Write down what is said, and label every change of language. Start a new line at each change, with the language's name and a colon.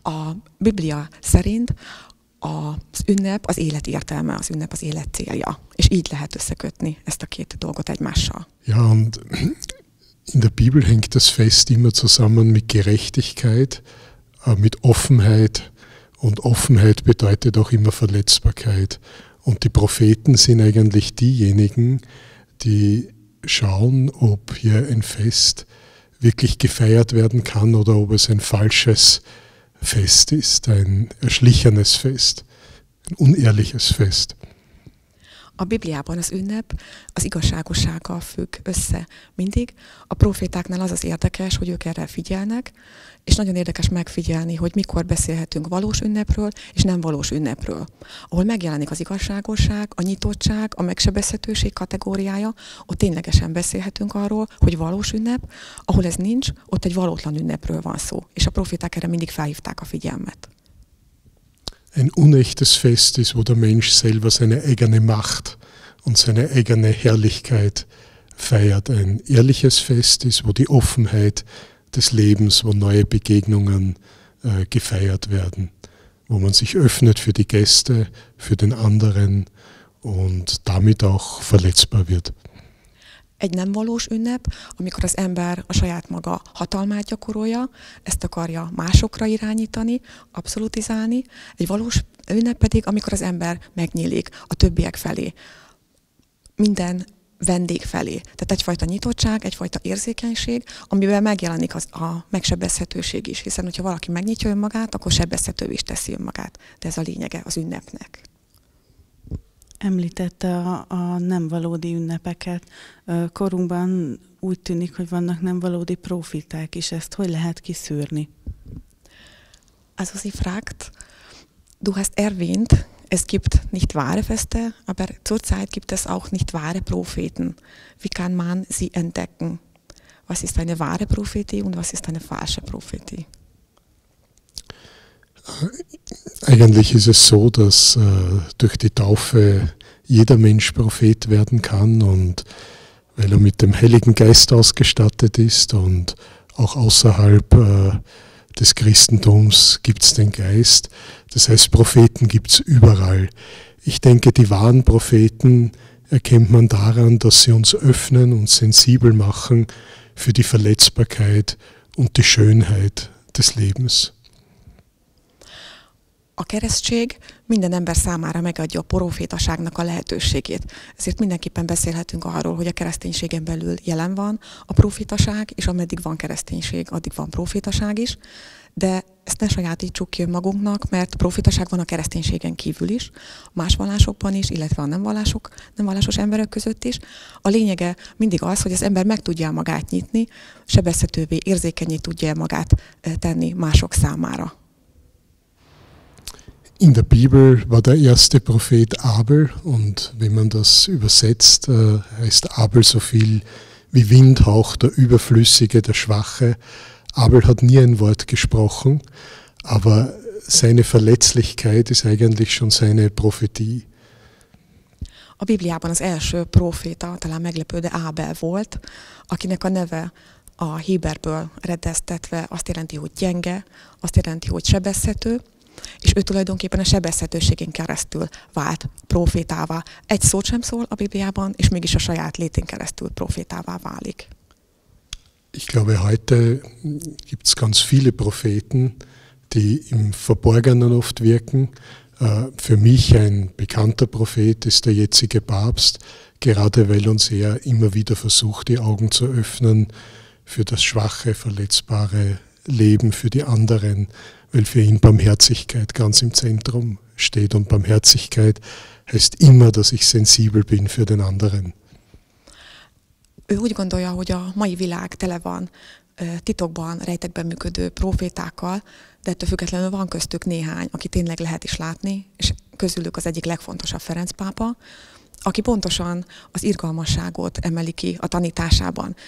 Hungarian: A Biblia szerint az ünnep az élet értelme, az ünnep az élet célja. És így lehet összekötni ezt a két dolgot egymással.
German: Ja, und in der Bibel hängt das Fest immer zusammen mit Gerechtigkeit, mit Offenheit. Und Offenheit bedeutet auch immer Verletzbarkeit. Und die Propheten sind eigentlich diejenigen, die schauen, ob hier ein Fest wirklich gefeiert werden kann oder ob es ein falsches Fest ist, ein erschlichenes Fest, ein unehrliches Fest.
Hungarian: A Bibliában az ünnep az igazságossággal függ össze mindig. A profétáknál az az érdekes, hogy ők erre figyelnek, és nagyon érdekes megfigyelni, hogy mikor beszélhetünk valós ünnepről és nem valós ünnepről. Ahol megjelenik az igazságosság, a nyitottság, a megsebezhetőség kategóriája, ott ténylegesen beszélhetünk arról, hogy valós ünnep, ahol ez nincs, ott egy valótlan ünnepről van szó. És a proféták erre mindig felhívták a figyelmet.
German: Ein unechtes Fest ist, wo der Mensch selber seine eigene Macht und seine eigene Herrlichkeit feiert. Ein ehrliches Fest ist, wo die Offenheit des Lebens, wo neue Begegnungen gefeiert werden, wo man sich öffnet für die Gäste, für den anderen und damit auch verletzbar wird.
Hungarian: Egy nem valós ünnep, amikor az ember a saját maga hatalmát gyakorolja, ezt akarja másokra irányítani, abszolutizálni. Egy valós ünnep pedig, amikor az ember megnyílik a többiek felé, minden vendég felé. Tehát egyfajta nyitottság, egyfajta érzékenység, amiben megjelenik az a megsebezhetőség is. Hiszen, hogyha valaki megnyitja önmagát, akkor sebezhetővé is teszi önmagát. De ez a lényege az ünnepnek. Említette a nem valódi ünnepeket. Korunkban úgy tűnik, hogy vannak nem valódi proféták is. Ezt hogy lehet kiszűrni?
German: Also sie fragt, du hast erwähnt, es gibt nicht wahre Feste, aber zurzeit gibt es auch nicht wahre Propheten. Wie kann man sie entdecken? Was ist eine wahre Prophetie und was ist eine falsche Prophetie? Eigentlich ist es so, dass durch die Taufe jeder Mensch Prophet werden kann und weil er mit dem Heiligen Geist ausgestattet ist und auch außerhalb des Christentums gibt es den Geist. Das heißt, Propheten gibt es überall. Ich denke, die wahren Propheten erkennt man daran, dass sie uns öffnen und sensibel machen für die Verletzbarkeit und die Schönheit des Lebens.
Hungarian: A keresztség minden ember számára megadja a profétaságnak a lehetőségét. Ezért mindenképpen beszélhetünk arról, hogy a kereszténységen belül jelen van a profétaság, és ameddig van kereszténység, addig van profétaság is. De ezt ne sajátítsuk ki önmagunknak, mert profétaság van a kereszténységen kívül is, más vallásokban is, illetve a nem vallásos emberek között is. A lényege mindig az, hogy az ember meg tudja magát nyitni, sebezhetővé, érzékenyé tudja magát tenni mások számára.
German: In der Bibel war der erste Prophet Abel und wenn man das übersetzt, heißt Abel so viel wie Windhauch, der Überflüssige, der Schwache. Abel hat nie ein Wort gesprochen, aber seine Verletzlichkeit ist eigentlich schon seine Prophetie.
Hungarian: A Bibliában az első proféta, talán meglepő, de Abel volt, akinek a neve a héberből redeztetve azt jelenti, hogy gyenge, azt jelenti, hogy sebezhető. És ő tulajdonképpen a sebezhetőségén keresztül vált prófétává. Egy szót sem szól a Bibliában, és mégis a saját létén keresztül prófétává válik.
German: Ich glaube, heute gibt es ganz viele Propheten, die im Verborgenen oft wirken. Für mich ein bekannter Prophet ist der jetzige Papst, gerade weil uns er immer wieder versucht, die Augen zu öffnen für das schwache, verletzbare Leben, für die anderen, weil für ihn Barmherzigkeit ganz im Zentrum steht. Und Barmherzigkeit heißt immer, dass ich sensibel bin für den anderen.
Hungarian: Ő úgy gondolja, hogy a mai világ tele van titokban, rejtekben működő profétákkal, de ettől függetlenül van köztük néhány, aki tényleg lehet is látni, és közülük az egyik legfontosabb Ferenc pápa, aki pontosan az irgalmasságot emeli ki a tanításában.